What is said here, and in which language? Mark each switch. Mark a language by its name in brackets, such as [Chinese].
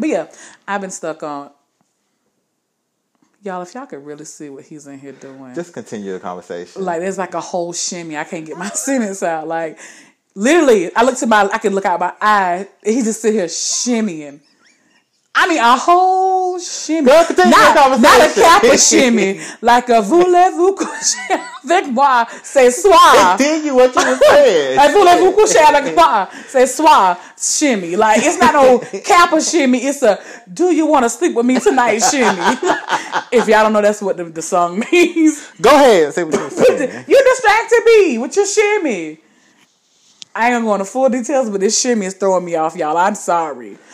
[English] But yeah, I've been stuck on. Y'all, if y'all could really see what he's in here doing. Just continue the conversation. Like, there's like a whole shimmy. I can't get my sentence out. Like, literally, I can look out my eye. He just sit here shimmying. I mean, a whole shimmy. Not a Kappa shimmy. Like a [French] voulez-vous coucher avec moi, c'est soir. [English] Continue what you were saying. [French] A voulez-vous coucher avec moi, c'est soir shimmy. [English] Like, it's not no Kappa shimmy. It's a, do you want to sleep with me tonight shimmy? If y'all don't know, that's what the song means. Go ahead. Say what you're saying. You distracted me with your shimmy. I ain't going to go into full details, but this shimmy is throwing me off, y'all. I'm sorry.